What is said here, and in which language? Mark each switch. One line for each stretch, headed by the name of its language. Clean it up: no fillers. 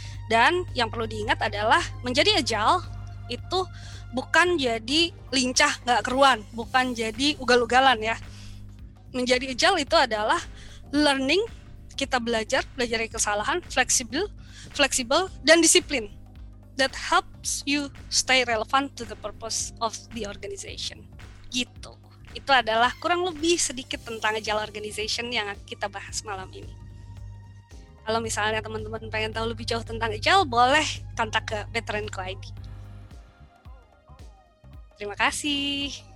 Indonesian: Dan yang perlu diingat adalah menjadi agile itu bukan jadi lincah nggak keruan, bukan jadi ugal-ugalan ya. Menjadi agile itu adalah learning, kita belajar dari kesalahan, flexible, dan disiplin.
English: That helps you stay relevant to the purpose of the organization.
Indonesian: Gitu. Itu adalah kurang lebih sedikit tentang agile organization yang kita bahas malam ini. Kalau misalnya teman-teman pengen tahu lebih jauh tentang Agile, boleh kontak ke Veteranku ID. Terima kasih.